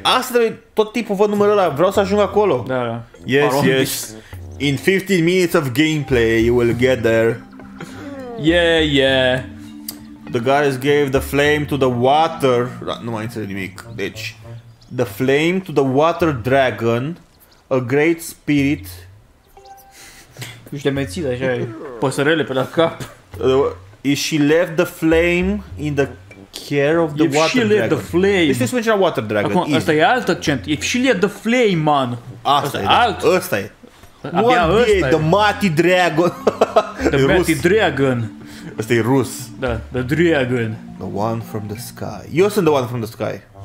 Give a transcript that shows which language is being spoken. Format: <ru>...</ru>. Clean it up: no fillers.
<ro>Asta trebuie, tot tipul văd numărul ăla, vreau să ajung acolo. Da, da.</ro> <en>Yes, Faron, yes. In 15 minutes of gameplay, you will get there. Yeah, yeah. The goddess gave the flame to the water...</en> <ro>Nu mai înțeleg nimic. Deci...</ro> <en>The flame to the water dragon, a great spirit...</en> <ro>Ești demețit, așa e. Păsărele pe la cap.</ro> <en>She left the flame in the... care of the if water dragon. If she let the flame.</en> <ro>Este să mergem</ro> <en>water dragon.</en> <ro>Acum, asta e alt accent.</ro> <en>If she let the flame, man.</en> <ro>Asta e. Alt. Asta e. Abia asta e.</ro> <en>The mighty dragon. The mighty dragon.</en> <ro>Asta e rus.</ro> <en>Da. The dragon. The one from the sky.</en> <ro>Eu sunt</ro> <en>the one from the sky.</en>